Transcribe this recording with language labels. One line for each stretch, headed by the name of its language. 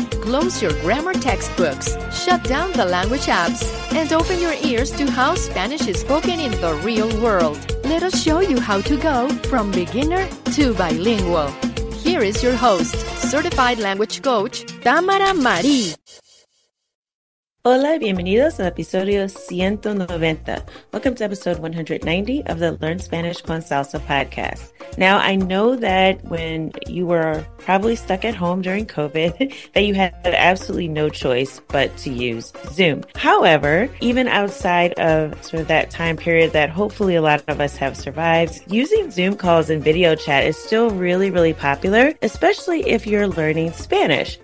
English: Close your grammar textbooks, shut down the language apps, and open your ears to how Spanish is spoken in the real world. Let us show you how to go from beginner to bilingual. Here is your host, certified language coach, Tamara Marie.
Spanish: Hola, bienvenidos al episodio 190.
English: Welcome to episode 190 of the Learn Spanish con Salsa podcast. Now, I know that when you were probably stuck at home during COVID, that you had absolutely no choice but to use Zoom. However, even outside of sort of that time period that hopefully a lot of us have survived, using Zoom calls and video chat is still really, really popular, especially if you're learning Spanish.